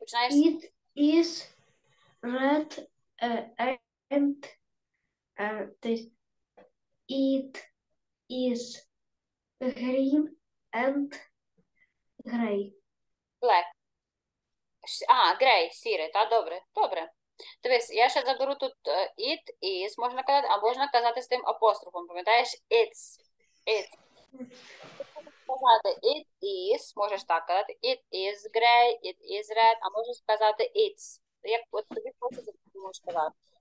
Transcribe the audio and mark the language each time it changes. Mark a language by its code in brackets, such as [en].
[en] It is red and it is green and Грей. Black. [uk] А, грей, сірий, та добре, добре. Дивись, я ще заберу тут it, is, можна казати, а можна казати з тим апострофом, пам'ятаєш? [en] It's, it's. Сказати it is, [uk] можеш так казати, [en] it is grey, it is red, [uk] а можеш сказати [en] it's. [uk] Як от тобі хочеться, ти можеш сказати.